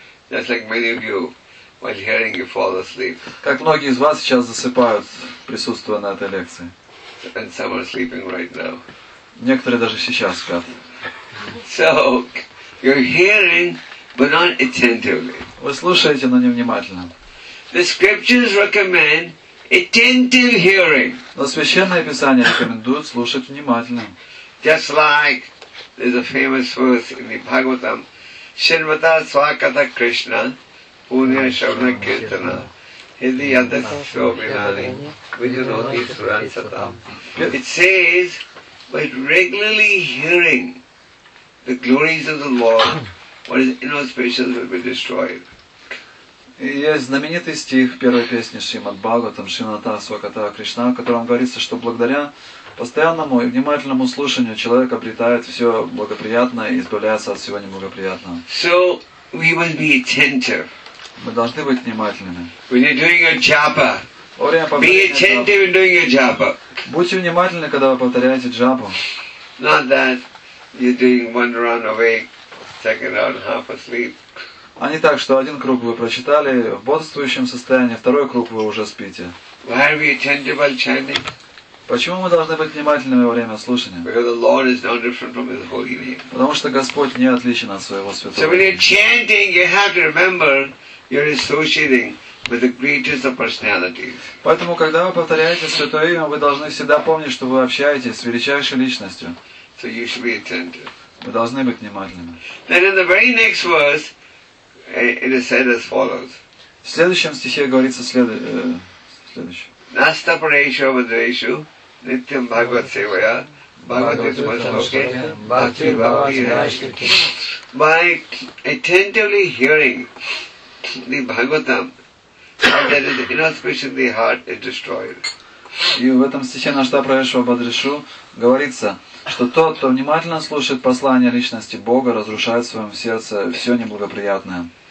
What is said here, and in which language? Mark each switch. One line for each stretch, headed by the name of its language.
English: Just like many of you, while hearing, you fall asleep.
Russian: Как многие из вас сейчас засыпают, присутствуя на этой лекции.
English: And some are sleeping right now.
Russian: Некоторые даже сейчас спят.
English: So, you're hearing. But not attentively.
Russian: Вы слушаете, но не внимательно.
English: The scriptures recommend attentive hearing.
Russian: Но священное писание рекомендует слушать внимательно.
English: Just like there's a famous verse in the Bhagavatam,
Sanskrit: Shrimata Swakata Krishna, Punya Shravana Kirtana. Hindi Yadasya Vihari, Vijanoti Suran Satam.
English: It says, by regularly hearing the glories of the Lord, what is inauspicious will be destroyed.
Russian: И есть знаменитый стих первой песни Шримад Бхагаватам,
Sanskrit: Шримата Сваката Кришна,
Russian: в котором говорится, что благодаря постоянному и внимательному слушанию человек обретает все благоприятное и избавляется от всего неблагоприятного.
English: So we will be attentive.
Russian: Мы должны быть внимательными.
English: When you're doing your japa, be attentive in doing your japa.
Russian: Будьте внимательны, когда вы повторяете джапу.
English: Not that you're doing one round awake. Second round, half asleep.
Russian: А не так, что один круг вы прочитали в бодрствующем состоянии, второй круг вы уже спите.
English: Why are we attentive while chanting?
Russian: Почему мы должны быть внимательными во время слушания?
English: Because the Lord is no different from His holy name.
Russian: Потому что Господь не отличен от своего святого.
English: So when you're chanting, you have to remember you're associating with the greatest of personalities.
Russian: Поэтому, когда вы повторяете святое имя, вы должны всегда помнить, что вы общаетесь с величайшей личностью.
English: So you should be attentive.
Russian: Вы должны быть внимательными.
English: Then in the very next verse, it is said as follows.
Russian: В следующем стихе говорится следующее.
Sanskrit: Nasta Parishu Vadreshu Nityam Bhagavat Sevaya Bhagavat Vismasloke Bhakti Bhakti Rashkati.
English: By attentively hearing the Bhagavatam that is inauspicious in the heart is destroyed.
Russian: И в этом стихе
Sanskrit: Nasta Parishu Vadreshu
Russian: говорится, что тот, кто внимательно слушает послание личности Бога, разрушает в своем сердце все неблагоприятное.